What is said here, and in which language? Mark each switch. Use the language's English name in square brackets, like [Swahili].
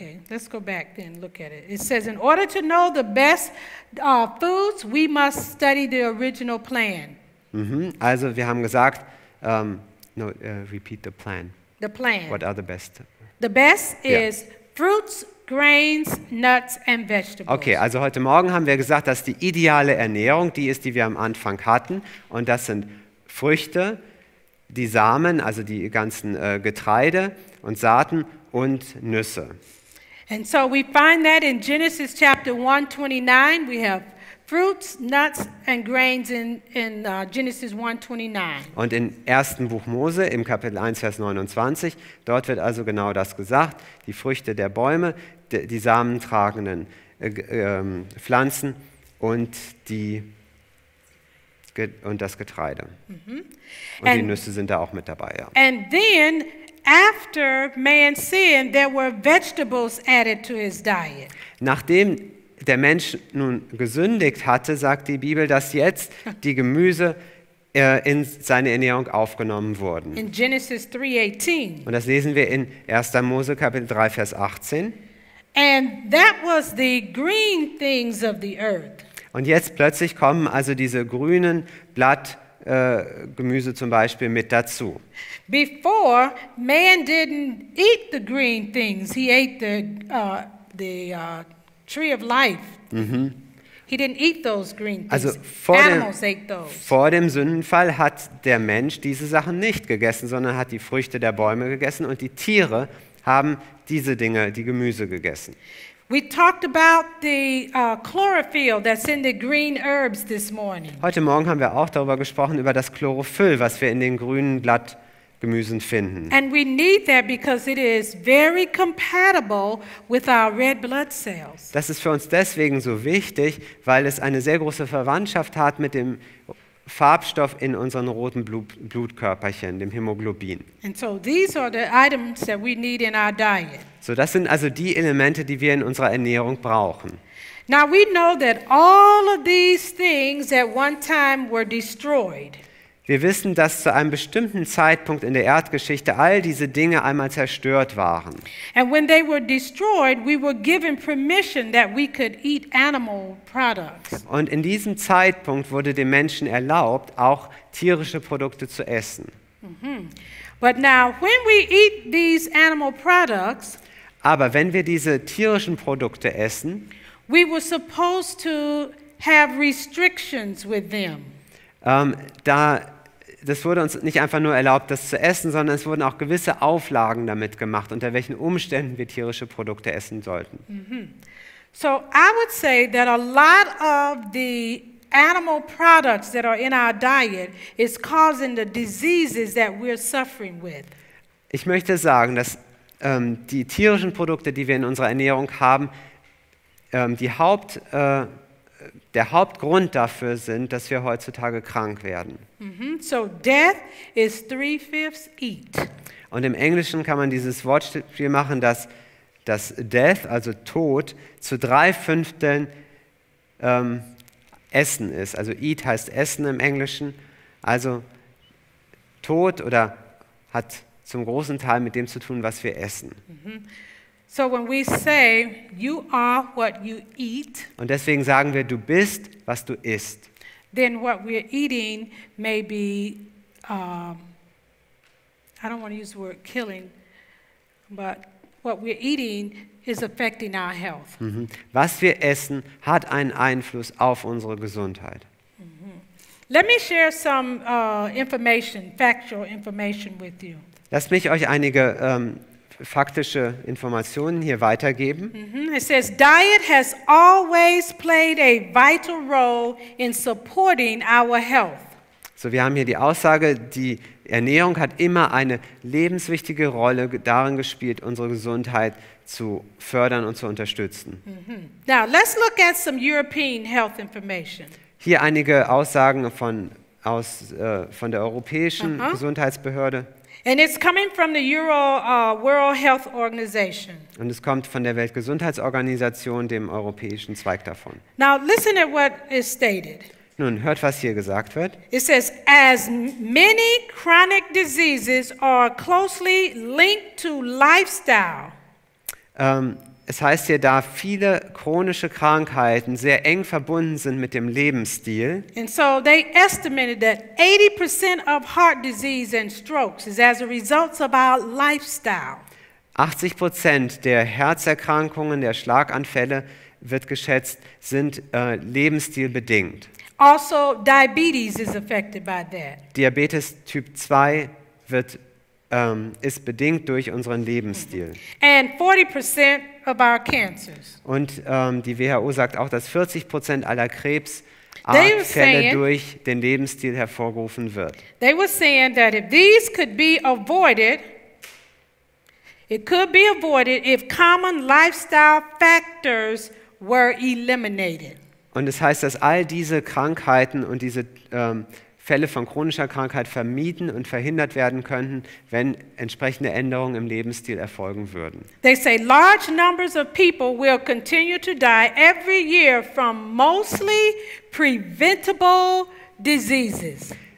[English] Let's go back then and look at it. It says, in order to know the best foods, we must study the original plan. [German] Mm-hmm. Also, wir haben gesagt, [English] repeat the plan. The plan. What are the best? The best is fruits, grains, nuts and vegetables. [German] Okay, also heute Morgen haben wir gesagt, dass die ideale Ernährung die ist, die wir am Anfang hatten. Und das sind Früchte, die Samen, also die ganzen Getreide und Saaten und Nüsse. [English] And so we find that in Genesis chapter 1:29 we have fruits, nuts and grains in Genesis 1:29. [German] Und in 1. Buch Mose im Kapitel 1 Vers 29, dort wird also genau das gesagt, die Früchte der Bäume, die samentragenden Pflanzen und das Getreide. Mm-hmm. Und die Nüsse sind da auch mit dabei, ja. [English] And then after man sinned, there were vegetables added to his diet. [German] Nachdem der Mensch nun gesündigt hatte, sagt die Bibel, dass jetzt die Gemüse in seine Ernährung aufgenommen wurden. [English] In Genesis 3:18. [German] Und das lesen wir in 1. Mose Kapitel 3 Vers 18. [English] And that was the green things of the earth. [German] Und jetzt plötzlich kommen also diese grünen Blattgemüse zum Beispiel mit dazu. [English] Before man didn't eat the green things, he ate the tree of life. Mm-hmm. He didn't eat those green things. [German] Also vor dem Sündenfall hat der Mensch diese Sachen nicht gegessen, sondern hat die Früchte der Bäume gegessen und die Tiere haben diese Dinge, die Gemüse, gegessen. [English] We talked about the chlorophyll that's in the green herbs this morning. [German] Heute Morgen haben wir auch darüber gesprochen, über das Chlorophyll, was wir in den grünen Blattgemüsen finden. [English] And we need that because it is very compatible with our red blood cells. [German] Das ist für uns deswegen so wichtig, weil es eine sehr große Verwandtschaft hat mit dem Farbstoff in unseren roten Blutkörperchen, dem Hämoglobin. [English] And so these are the items that we need in our diet. [German] So, das sind also die Elemente, die wir in unserer Ernährung brauchen. [English] Now we know that all of these things at one time were destroyed. [German] Wir wissen, dass zu einem bestimmten Zeitpunkt in der Erdgeschichte all diese Dinge einmal zerstört waren. [English] And when they were destroyed, we were given permission that we could eat animal products. [German] Und in diesem Zeitpunkt wurde den Menschen erlaubt, auch tierische Produkte zu essen. Mm-hmm. [English] But now, when we eat these animal products, [German] aber wenn wir diese tierischen Produkte essen, [English] we were supposed to have restrictions with them. [German] Das wurde uns nicht einfach nur erlaubt, das zu essen, sondern es wurden auch gewisse Auflagen damit gemacht, unter welchen Umständen wir tierische Produkte essen sollten. Mm-hmm. [English] So, I would say that a lot of the animal products that are in our diet is causing the diseases that we're suffering with. [German] Ich möchte sagen, dass die tierischen Produkte, die wir in unserer Ernährung haben, der Hauptgrund dafür sind, dass wir heutzutage krank werden. [English] Mm-hmm. So death is 3/5 eat. [German] Und im Englischen kann man dieses Wortspiel machen, dass death, also Tod, zu 3/5 Essen ist. Also eat heißt Essen im Englischen. Also Tod oder hat zum großen Teil mit dem zu tun, was wir essen. [English] So when we say, you are what you eat, [German] und deswegen sagen wir, du bist, was du isst. [English] Then what we're eating may be, I don't want to use the word killing, but what we're eating is affecting our health. Mm-hmm. [German] Was wir essen, hat einen Einfluss auf unsere Gesundheit. Mm-hmm. [English] Let me share some information, factual information with you. [German] Lass mich euch einige faktische Informationen hier weitergeben. [English] Mm-hmm. It says diet has always played a vital role in supporting our health. [German] So, wir haben hier die Aussage, die Ernährung hat immer eine lebenswichtige Rolle darin gespielt, unsere Gesundheit zu fördern und zu unterstützen. [English] Mm-hmm. Now, let's look at some European health information. [German] Hier einige Aussagen von der europäischen uh-huh. Gesundheitsbehörde. [English] And it's coming from the World Health Organization. [German] Und es kommt von der Weltgesundheitsorganisation, dem europäischen Zweig davon. [English] Now listen to what is stated. [German] Nun hört, was hier gesagt wird. [English] It says, as many chronic diseases are closely linked to lifestyle. [German] Es heißt hier, da viele chronische Krankheiten sehr eng verbunden sind mit dem Lebensstil. [English] And so they estimated that 80% of heart disease and strokes is as a result of our lifestyle. [German] 80% der Herzerkrankungen, der Schlaganfälle, wird geschätzt, sind lebensstilbedingt. [English] Also diabetes is affected by that. [German] Diabetes Typ 2 wird ist bedingt durch unseren Lebensstil. [English] And 40% of our cancers. [German] Und die WHO sagt auch, dass 40% aller Krebsartfälle durch den Lebensstil hervorgerufen wird. [English] They were saying that if these could be avoided, it could be avoided if common lifestyle factors were eliminated. [German] Und es heißt, dass all diese Krankheiten und diese Fälle von chronischer Krankheit vermieden und verhindert werden könnten, wenn entsprechende Änderungen im Lebensstil erfolgen würden. [English] They say large numbers of people will continue to die every year from mostly preventable diseases.